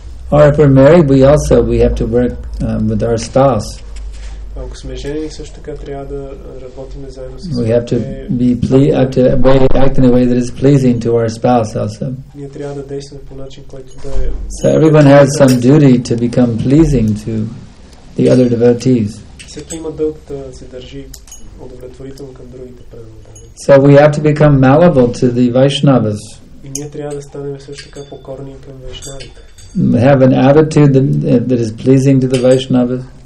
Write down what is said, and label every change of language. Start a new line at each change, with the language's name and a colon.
English: Or if we're married, we have to work with our spouse.
Bulgarian: Ако сме женени, също така трябва да работим заедно с нашите.
English: We have to be act in a way that is pleasing to our spouse also.
Bulgarian: Ние трябва да действаме по начин, който да е.
English: So everyone has some duty to become pleasing to the other devotees.
Bulgarian: Всеки има дълг да се държи удовлетворително към другите преданици.
English: So we have to become malleable to the Vaishnavas.
Bulgarian: И ние трябва да станем също така покорни към Вайшнавите.
English: Have an attitude that is pleasing to the Vaishnavas.